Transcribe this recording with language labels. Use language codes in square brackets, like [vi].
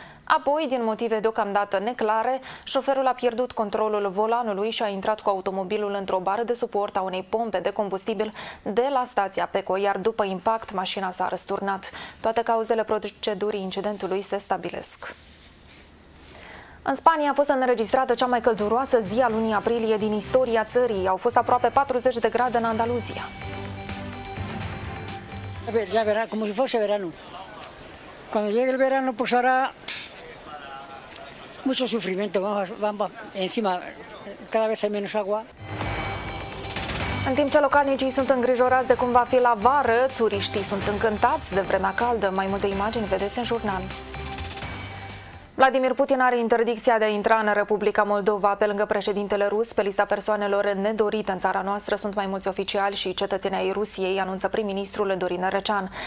[ro] Apoi, din motive deocamdată neclare, șoferul a pierdut controlul volanului și a intrat cu automobilul într-o bară de suport a unei pompe de combustibil de la stația Peco, iar după impact, mașina s-a răsturnat. Toate cauzele procedurii incidentului se stabilesc. În Spania a fost înregistrată cea mai călduroasă zi a lunii aprilie din istoria țării. Au fost aproape 40 de grade în Andaluzia. [es] Ya verá cómo se fue verano. Cuando llegue el verano pues hará mucho sufrimiento, vamos encima cada vez hay menos agua. [ro] În timp ce localnicii sunt îngrijorați de cum va fi la vară, turiștii sunt încântați de vremea caldă. Mai multe imagini vedeți în jurnal. Vladimir Putin are interdicția de a intra în Republica Moldova. Pe lângă președintele rus, pe lista persoanelor nedorite în țara noastră sunt mai mulți oficiali și cetățeni ai Rusiei, anunță prim-ministrul Dorin Recean.